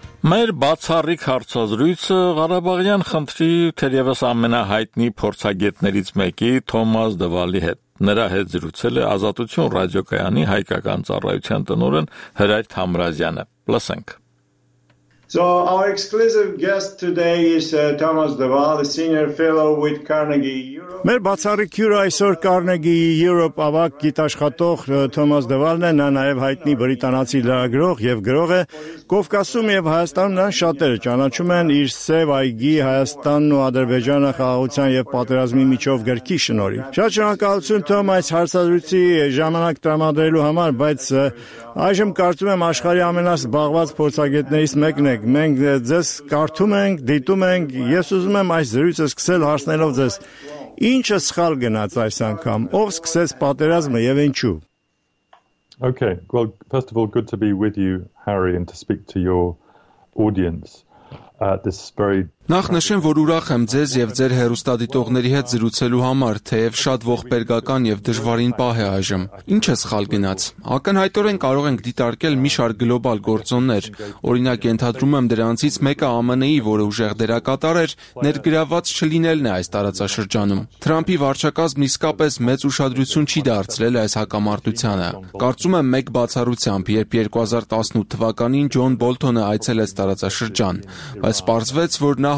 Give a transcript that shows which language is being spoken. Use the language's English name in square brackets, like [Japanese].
[Armenian] Մեր բացառիկ հարցազրույցը Ղարաբաղյան խնդրի թերևս ամենահայտնի փորձագետներից մեկի Թոմաս Դվալի հետ։ Նրա հետ զրուցել է Ազատություն ռադիոկայանի հայկական ծառայության տնօրեն Հրայր Թամրազյանը։ Լսենք։ [English] So our exclusive guest today is Thomas Duval, a senior fellow with Carnegie Europe. [Armenian] Մեր բացառիկ հյուրը այսօր Carnegie Europe ավագ գիտաշխատող Թոմաս Դվալն է, նա նաև հայտնի բրիտանացի լրագրող և գրող է։ Կովկասում և Հայաստանում նրան շատերը ճանաչում են իր «Սև այգի Հայաստանն ու Ադրբեջանը խաղաղության և պատերազմի միջով» գրքի շնորհիվ։ Շատ շնորհակալություն Թոմաս հարցազրույցի ժամանակ տրամադրելու համար, բայց այժմ կարծում եմ աշխարհի ամենազբաղված փորձագետներից մեկն եք, մենք ձեզ կարդում ենք, դիտում ենք, ես ուզում եմ այս զրույցը սկսել հարցնելով ձեզ, ինչը սխալ գնաց այս անգամ, ով սկսեց պատերազմը և ինչու։ [English] Okay, well, first of all, good to be with you, Harry, and to speak to your audience. [Armenian] Նախ նշեմ, որ ուրախ եմ ձեզ և ձեր հեռուստադիտողների հետ զրուցելու համար, թեև շատ ողբերգական և դժվարին պահ է այժմ։ Ինչ է սխալ գնաց։ Ակնհայտորեն կարող ենք դիտարկել մի շարք գլոբալ գործոններ, օրինակ ենթադրում եմ դրանցից մեկը ԱՄՆ-ի, որը ուժեղ դերակատար էր, ներգրավված չլինելն է այս տարածաշրջանում։ Թրամփի վարչակազմն իսկապես մեծ ուշադրություն չի դարձրել այս հակամարտությանը։ Կարծում եմ մեկ բացառությամբ, երբ 2018 թվականին Ջոն Բոլթոնը այցելեց տարածաշրջան, բայց պարզվեց, որ նա